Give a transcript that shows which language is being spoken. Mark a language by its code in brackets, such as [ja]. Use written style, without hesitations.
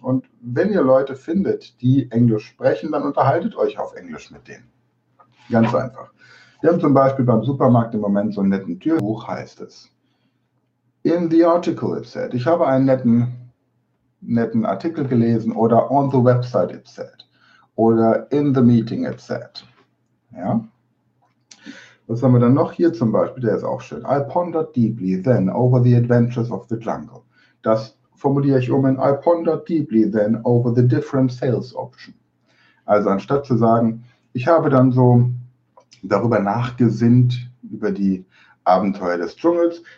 [de] Und wenn ihr Leute findet, die Englisch sprechen, dann unterhaltet euch auf Englisch mit denen. Ganz einfach. Wir haben zum Beispiel beim Supermarkt im Moment so einen netten Türbuch, heißt es. [en] In the article it said. [de] Ich habe einen netten Artikel gelesen oder [en] on the website it said. [de] Oder [en] in the meeting it said. [de] Ja. Was haben wir dann noch hier zum Beispiel? Der ist auch schön. [en] I pondered deeply then over the adventures of the jungle. [de] Das formuliere ich um in [en] I pondered deeply then over the different sales option. [de] Also anstatt zu sagen, ich habe dann so darüber nachgesinnt, über die Abenteuer des Dschungels.